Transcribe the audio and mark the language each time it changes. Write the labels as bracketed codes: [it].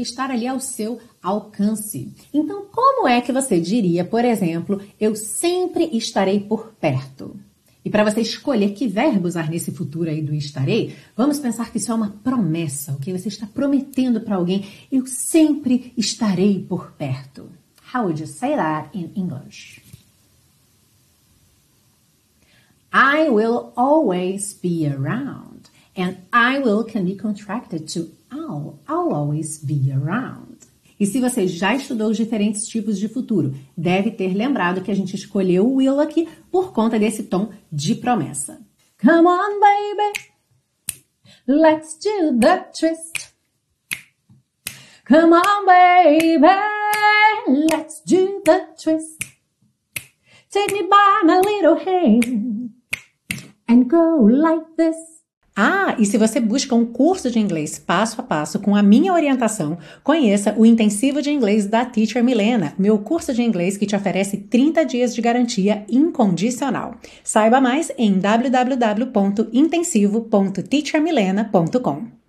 [pt] Estar ali ao seu alcance. Então, como é que você diria, por exemplo, eu sempre estarei por perto? E para você escolher que verbo usar nesse futuro aí do estarei, vamos pensar que isso é uma promessa, ok? Você está prometendo para alguém, eu sempre estarei por perto. [en] How would you say that in English? I will always be around. And I will can be contracted to I'll always be around. [pt] E se você já estudou os diferentes tipos de futuro, deve ter lembrado que a gente escolheu o will aqui por conta desse tom de promessa. [en] Come on, baby, let's do the twist. Come on, baby, let's do the twist. Take me by my little hand and go like this. [pt] Ah, e se você busca um curso de inglês passo a passo com a minha orientação, conheça o Intensivo de Inglês da Teacher Milena, meu curso de inglês que te oferece 30 dias de garantia incondicional. Saiba mais em www.intensivo.teachermilena.com.